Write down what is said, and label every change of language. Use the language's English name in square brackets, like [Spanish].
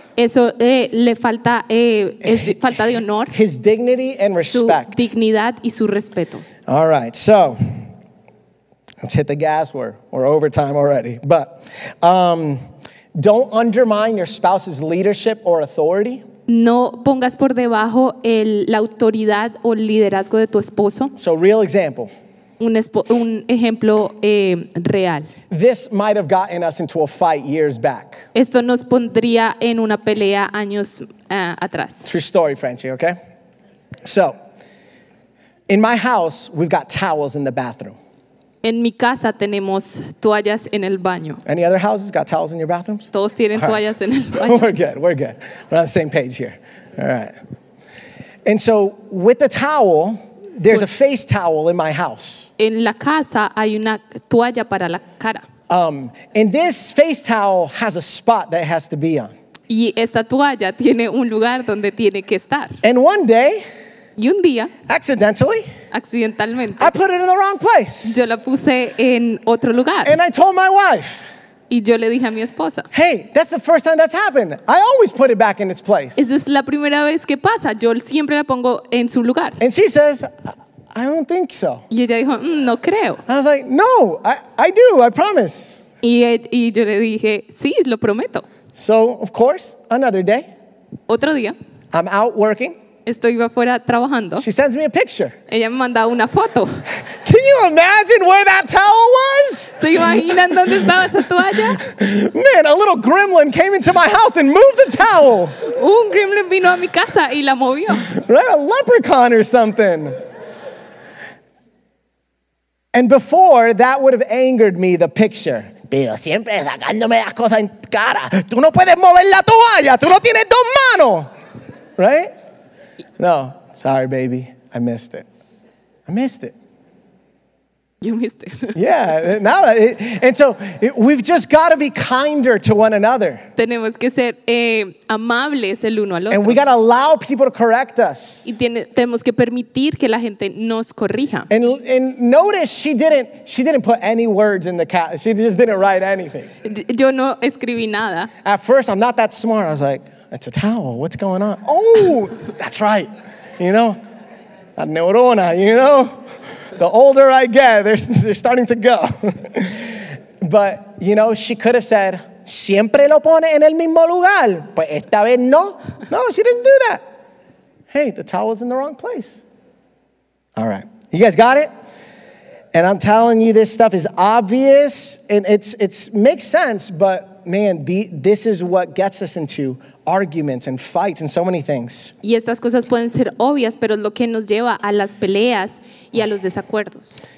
[Spanish] Eso le falta falta de honor. [English] His dignity and respect. [Spanish] Su dignidad y su respeto. [English] All right, so. Let's hit the gas. We're over time already. But don't undermine your spouse's leadership or authority. [Spanish] No pongas por debajo la autoridad o liderazgo de tu esposo. [English] So real example. [Spanish] Un ejemplo real. [English] This might have gotten us into a fight years back. [Spanish] Esto nos pondría en una pelea años atrás. [English] True story, Franchi, okay? So in my house, we've got towels in the bathroom. [Spanish] En mi casa tenemos toallas en el baño. [English] Any other houses got towels in your bathrooms? [Spanish] Todos tienen [English] right. [Spanish] Toallas en el baño. [English] We're good. We're on the same page here. All right. And so with the towel, there's a face towel in my house. [Spanish] En la casa hay una toalla para la cara. [English] And this face towel has a spot that it has to be on. [Spanish] Y esta toalla tiene un lugar donde tiene que estar. [English] And one day, [Spanish] y un día, [English] accidentally, I put it in the wrong place. [Spanish] Yo la puse en otro lugar. [English] And I told my wife. [Spanish] Y yo le dije a mi esposa. [English] Hey, that's the first time that's happened. I always put it back in its place. [Spanish] Esa es la primera vez que pasa. Yo siempre la pongo en su lugar. [English] And she says, I don't think so. [Spanish] Y ella dijo, no creo. [English] I was like, no, I do, I promise. [Spanish] Y yo le dije, sí, lo prometo. [English] So, of course, another day. [Spanish] Otro día. [English] I'm out working. [Spanish] Estoy afuera trabajando. [English] She sends me a picture. [Spanish] Ella me manda una foto. [English] Can you imagine where that towel was? [Spanish] ¿Se imaginan dónde estaba esa toalla? [English] Man, a little gremlin came into my house and moved the towel. [Spanish] Un gremlin vino a mi casa y la movió. [English] Right, a leprechaun or something. And before, that would have angered me, the picture. [Spanish] Pero siempre sacándome las cosas en cara. Tú no puedes mover la toalla. Tú no tienes dos manos. [English] Right? No. Sorry, baby. I missed it. I missed it. You missed it. Yeah. Now that it, and so it, we've just got to be kinder to one another. [Spanish] Tenemos que ser amables el uno al otro. [English] And we got to allow people to correct us. [Spanish] Y tenemos que permitir que la gente nos corrija. [English] And notice she didn't put any words in the cat. She just didn't write anything. [Spanish] Yo no escribí nada. [English] At first, I'm not that smart. I was like, it's a towel. What's going on? Oh, that's right. You know, [Spanish] la neurona, [English] you know, the older I get, they're starting to go. But, you know, she could have said, [Spanish] siempre lo pone en el mismo lugar, pues esta vez no. [English] No, she didn't do that. Hey, the towel's in the wrong place. All right, you guys got it? And I'm telling you, this stuff is obvious, and it's makes sense, but man, this is what gets us into arguments and fights and so many things. [Spanish] Y estas cosas pueden ser obvias, pero es lo que nos lleva a las peleas y a los desacuerdos.